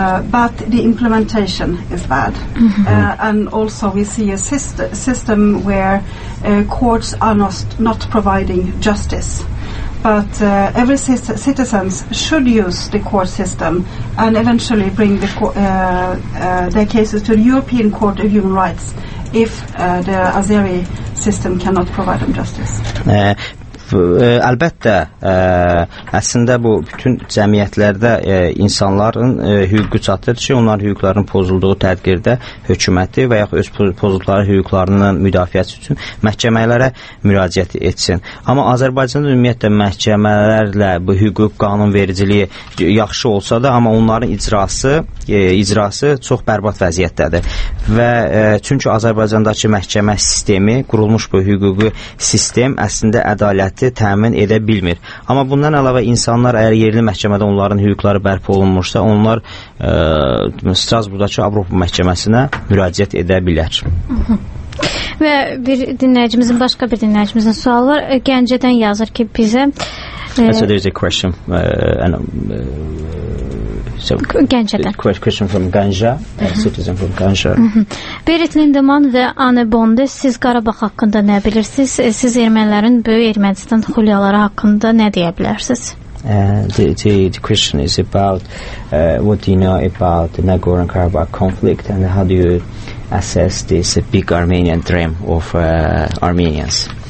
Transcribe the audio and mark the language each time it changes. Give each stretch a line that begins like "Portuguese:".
English: But the implementation is bad. And also we see a system where courts are not providing justice. But every citizen should use the court system and eventually bring their cases to the European Court of Human Rights if the Azeri system cannot provide them justice.
Azerbaijani: Əlbəttə, əslində bu bütün cəmiyyətlərdə insanların hüququ çatır ki, onların hüquqlarının pozulduğu təqdirdə hökuməti və yaxud öz pozulduqları hüquqlarının müdafiəsi üçün məhkəmələrə müraciət etsin. Amma Azərbaycanda ümumiyyətlə məhkəmələrlə bu hüquq qanunvericiliyi yaxşı olsa da, amma onların icrası çox bərbat vəziyyətdədir. Və çünki Azərbaycandakı məhkəmə sistemi, qurulmuş bu hüquqi sistem əslində ədalət təmin edə bilmir. Amma bundan əlavə insanlar əgər yerli məhkəmədə onların hüquqları bərpa olunmursa, onlar Strasburgdakı Avropa məhkəməsinə müraciət edə bilər. Və bir dinləyicimizin, başqa bir dinləyicimizin sualı var. Gəncədən yazır ki, bizə
English: So there is a question
Azerbaijani: Gəncədən.
English: Question from Ganja, citizen from Ganja.
Azerbaijani: Berit Lindeman və Anne Bonde, siz Qarabağ haqqında nə bilirsiniz? Siz ermənilərin böyük Ermənistan xulyaları haqqında nə deyə bilərsiniz?
English: The question is about what do you know about the Nagorno-Karabakh conflict and how do you assess this big Armenian dream of Armenians?